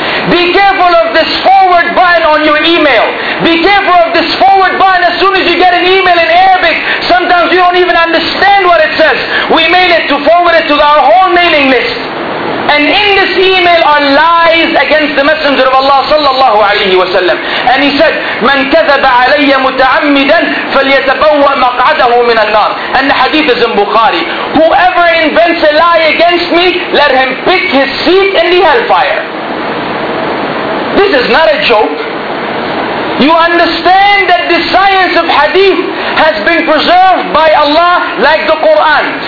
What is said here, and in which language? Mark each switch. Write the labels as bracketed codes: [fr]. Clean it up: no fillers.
[en] Be careful of this forward button on your email. Be careful of this forward button as soon as you get an email in Arabic. Sometimes you don't even understand what it says. We mail it to forward it to our whole mailing list. And in this email are lies against the Messenger of Allah sallallahu alayhi wa sallam. And he said, [ar] مَنْ كَذَبَ عَلَيَّ مُتَعَمِّدًا فَلْيَتَبَوَّ مَقْعَدَهُ مِنَ النَّارِ. [en] And the hadith is in Bukhari. Whoever invents a lie against me, let him pick his seat in the hellfire. This is not a joke. You understand that the science of hadith has been preserved by Allah like the Quran.